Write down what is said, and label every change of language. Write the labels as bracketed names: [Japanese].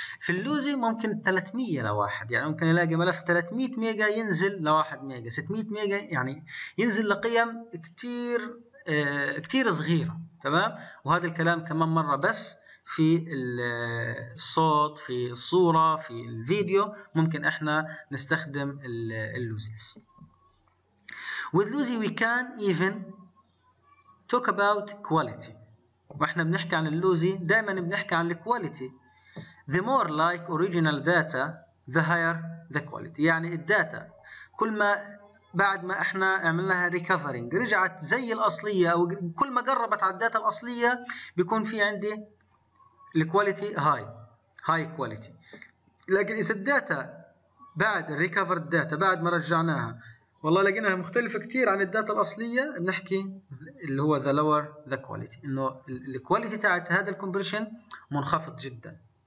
[Arabic] في اللوزي ممكن 300 لواحد، يعني ممكن الاقي ملف 300 ميجا ينزل لواحد ميجا، 600 ميجا يعني ينزل لقيم كثير كثير صغيره، تمام؟ وهذا الكلام كمان مره بس في الصوت، في الصوره، في الفيديو ممكن احنا نستخدم اللوزيس. [English] With lossy we can even talk about quality. [Arabic] واحنا بنحكي عن اللوزي دائما بنحكي عن الكواليتي. [English] The more like original data the higher the quality. [Arabic] يعني الداتا كل ما بعد ما احنا عملناها ريكفرنج رجعت زي الاصليه، او كل ما قربت على الداتا الاصليه بيكون في عندي الكواليتي هاي كواليتي. لكن اذا الداتا بعد الريكفر الداتا بعد ما رجعناها والله لقيناها مختلفة كثير عن الداتا الأصلية، بنحكي اللي هو [English] the lower the quality، [Arabic] إنه الكواليتي تاعت هذا الكومبريشن منخفض جدا.